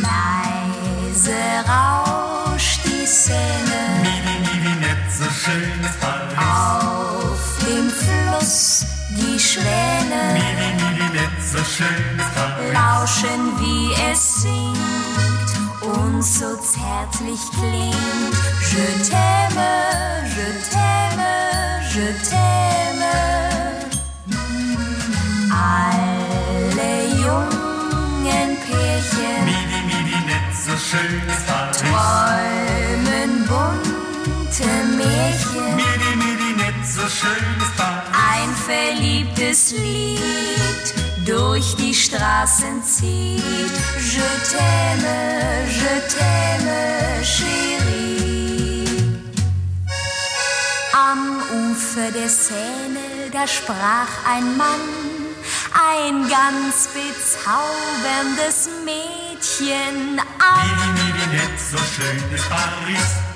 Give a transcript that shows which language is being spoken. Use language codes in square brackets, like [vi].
[de] Leise rauscht die Seine. Midi, midi, nett, so schön ist Paris. Auf dem Fluss die Schwäne. Midi, midi, nett, so schön ist Paris. Lauschen, wie es singt und so zärtlich klingt. [fr] Je t'aime, je t'aime, je t'aime. [de] Alle jungen Pärchen. Midi, midi, nett, so schön ist Paris. Träumen bunte Märchen. Midi, midi, nett, so schön ist Paris. Ein verliebtes Lied durch die Straßen zieht. [fr] Je t'aime, je t'aime, chérie. [de] Am Ufer der Seine, da sprach ein Mann ein ganz bezauberndes Mädchen an. Midi, midi, nett, so schön ist Paris.